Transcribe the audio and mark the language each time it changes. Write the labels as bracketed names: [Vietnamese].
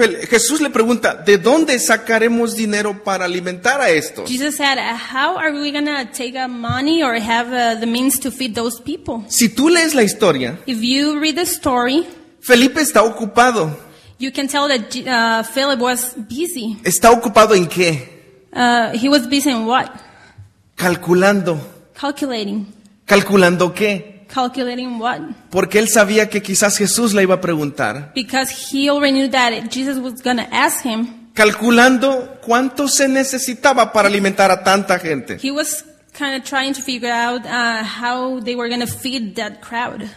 [Spanish] Jesús le pregunta, ¿de dónde sacaremos dinero para alimentar a estos? [English] Jesus said, how are we going to take up money or have the means to feed those people? [Spanish] Si tú lees la historia, [English] if you read the story, [Spanish] Felipe está ocupado. [English] You can tell that Philip was busy. [Spanish] ¿Está ocupado en qué? [English] He was busy in what? [Spanish] Calculando. [English] Calculating. [Spanish] ¿Calculando qué? [English] Calculating what? [Spanish] Porque él sabía que quizás Jesús le iba a preguntar. [English] Because he already knew that Jesus was going to ask him. [Spanish] Calculando cuánto se necesitaba para alimentar a tanta gente. [English] He was kind of trying to figure out how they were going to feed that crowd.